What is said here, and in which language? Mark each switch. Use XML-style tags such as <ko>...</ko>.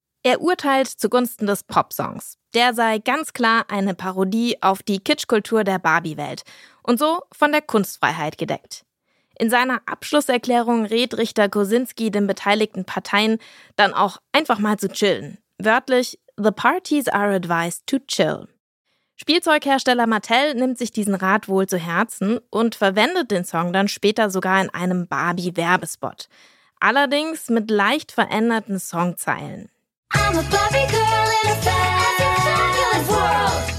<de>Er urteilt zugunsten des Popsongs. Der sei ganz klar eine Parodie auf die Kitschkultur der Barbie-Welt und so von der Kunstfreiheit gedeckt. In seiner Abschlusserklärung rät Richter Kosinski den beteiligten Parteien dann auch einfach mal zu chillen. Wörtlich,</de> <en>the parties are advised to chill.</en> <de>Spielzeughersteller Mattel nimmt sich diesen Rat wohl zu Herzen und verwendet den Song dann später sogar in einem Barbie-Werbespot. Allerdings mit leicht veränderten Songzeilen.</de> <en>I'm a Barbie girl in a fabulous world.</en>